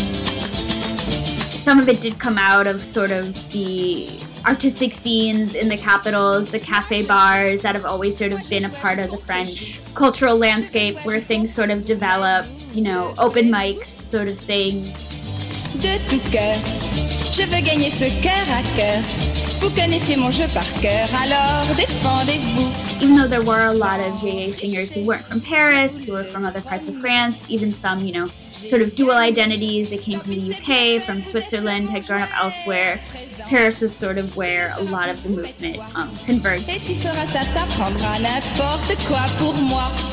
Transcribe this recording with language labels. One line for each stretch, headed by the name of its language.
English: Some of it did come out of sort of the artistic scenes in the capitals, the cafe bars that have always sort of been a part of the French cultural landscape where things sort of develop, you know, open mics sort of thing.
French: De tout cœur, je veux gagner ce cœur à cœur. Vous connaissez mon jeu par cœur, alors défendez-vous.
English: Even though there were a lot of Yeah Yeah singers who weren't from Paris, who were from other parts of France, even some, you know, sort of dual identities. They came from the UK, from Switzerland, had grown up elsewhere. Paris was sort of where a lot of the movement converged.
French: Et tu feras ça, t'apprendras n'importe quoi pour moi.